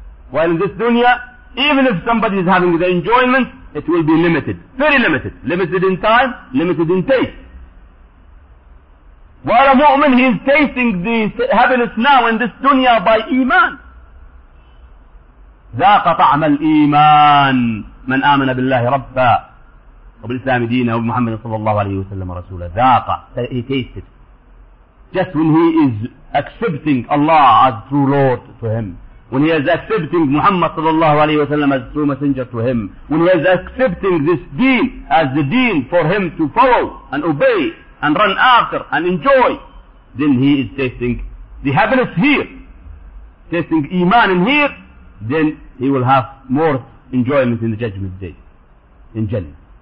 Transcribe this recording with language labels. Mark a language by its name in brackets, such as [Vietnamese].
[English] While in this dunya, even if somebody is having the enjoyment, it will be limited. Very limited. Limited in time, limited in taste. While a mu'min, he is tasting the happiness now in this dunya by iman. [Arabic] ذاق طعم الإيمان من آمن بالله ربا وبالإسلام دينا وبمحمد صلى الله عليه وسلم رسولا. [English] ذاق, he tasted. Just when he is accepting Allah as true Lord to him, when he is accepting Muhammad صلى الله عليه وسلم as true messenger to him, when he is accepting this deen as the deen for him to follow and obey and run after and enjoy, then he is tasting the happiness here, tasting Iman in here, then he will have more enjoyment in the judgment day, in Jannah.